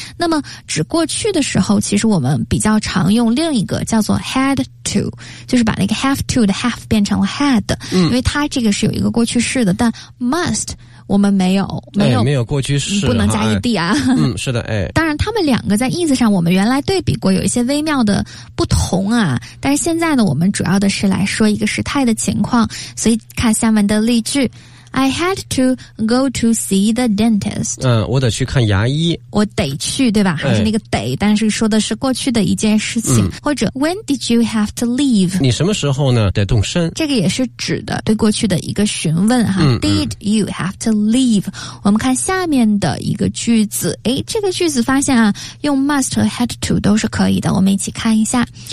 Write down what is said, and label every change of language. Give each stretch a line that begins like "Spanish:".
Chinese: 那么指过去的时候，其实我们比较常用另一个叫做 had to， 就是把那个 have to 的 have 变成了 had， 因为它这个是有一个过去式的，但 must 我们没有过去式，不能加 ed 啊。是的，当然他们两个在意思上我们原来对比过，有一些微妙的不同啊。但是现在呢，我们主要的是来说一个时态的情况，所以看下面的例句。
English: I had to go to see the dentist.
Chinese: 我得去看牙医。我得去，对吧？还是那个得，但是说的是过去的一件事情。
English: 或者 When did you have to leave?
Chinese: 你什么时候呢？得动身。这个也是指的对过去的一个询问哈。
English: Did you have to leave?
Chinese: 我们看下面的一个句子。这个句子发现啊，用 must 和 had to 都是可以的。我们一起看一下。